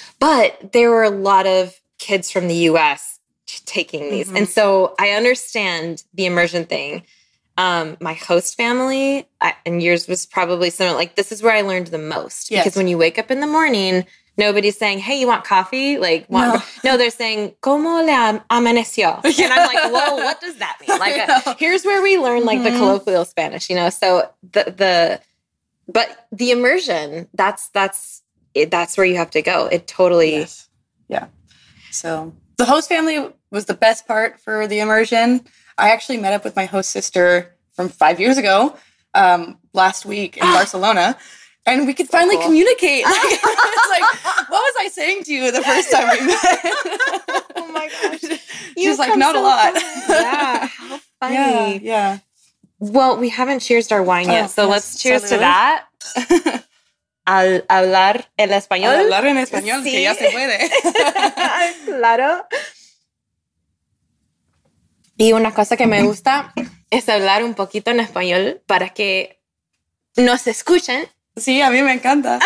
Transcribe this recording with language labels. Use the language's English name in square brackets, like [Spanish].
[English] But there were a lot of kids from the US taking these. Mm-hmm. And so I understand the immersion thing. My host family and yours was probably similar. Like this is where I learned the most. Yes. Because when you wake up in the morning, nobody's saying, hey, you want coffee? Like, no, they're saying, [Spanish] ¿cómo le amaneció? [English] Yeah. And I'm like, well, what does that mean? Like, here's where we learn like the colloquial Spanish, you know? So the immersion, that's where you have to go. It totally. Yes. Yeah. So the host family was the best part for the immersion. I actually met up with my host sister from 5 years ago, last week in Barcelona. And we could finally communicate. Like, it's like, what was I saying to you the first time we met? Oh my gosh. She's like, not a lot. Yeah. How funny. Yeah, yeah. Well, we haven't cheersed our wine yet. So let's cheers to that. [Spanish] Al hablar el español. Al hablar en español, que ya se puede. Claro. Y una cosa que me gusta es hablar un poquito en español para que nos escuchen. Sí, a mí me encanta.